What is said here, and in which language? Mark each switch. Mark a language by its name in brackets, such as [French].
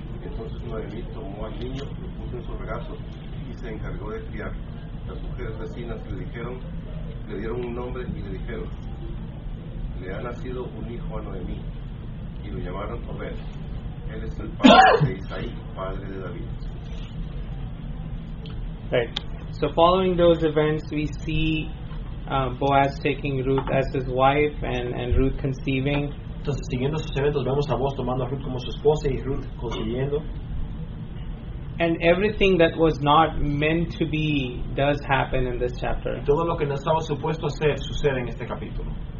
[Spanish] Entonces Noemí tomó al niño, lo puso en su regazo y se encargó de criar. Las mujeres vecinas le dieron un nombre y le dijeron: le ha nacido un hijo a Noemí, y lo llamaron Obed. Él es el padre de Isaí, padre de David. [English] Right. So following those events, we see Boaz taking Ruth as his wife and Ruth conceiving. [Spanish] Entonces, siguiendo esos eventos, vemos a Boaz tomando a Ruth como su esposa y Ruth concibiendo. [English] And everything that was not meant to be does happen in this chapter. [Spanish] Y todo lo que no estaba supuesto ser sucede en este capítulo.